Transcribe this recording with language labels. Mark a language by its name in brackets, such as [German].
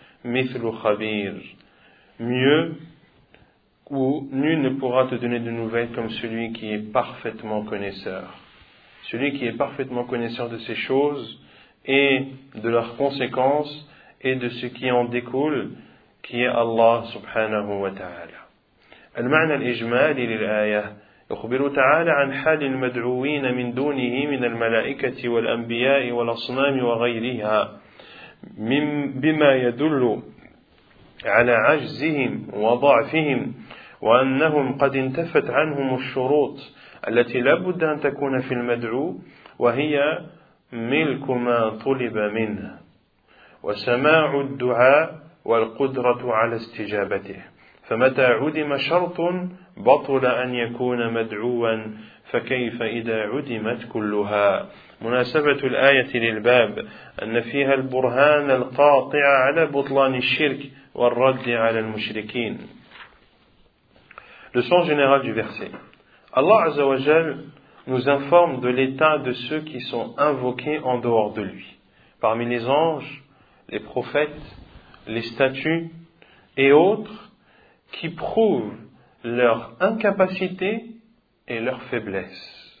[Arabic] Mithlu khabir, [French] mieux, ou nul ne pourra te donner de nouvelles comme celui qui est parfaitement connaisseur. Celui qui est parfaitement connaisseur de ces choses et de leurs conséquences et de ce qui en découle, qui est Allah subhanahu wa ta'ala. [Arabic] المعنى الإجمالي للآية يخبر تعالى عن حال المدعوين من دونه من الملائكة والأنبياء والأصنام وغيرها بما يدل على عجزهم وضعفهم وأنهم قد انتفت عنهم الشروط التي لابد أن تكون في المدعو وهي ملك ما طلب منه وسماع الدعاء والقدرة على استجابته فمتى عدم شرط بطل أن يكون مدعوا فكيف إذا عدمت كلها مناسبة الآية للباب أن فيها البرهان القاطع على بطلان الشرك والرد على المشركين. [French] Le sens général du verset. Allah Azza wa Jal nous informe de l'état de ceux qui sont invoqués en dehors de lui, parmi les anges, les prophètes, les statues et autres, qui prouvent leur incapacité et leur faiblesse.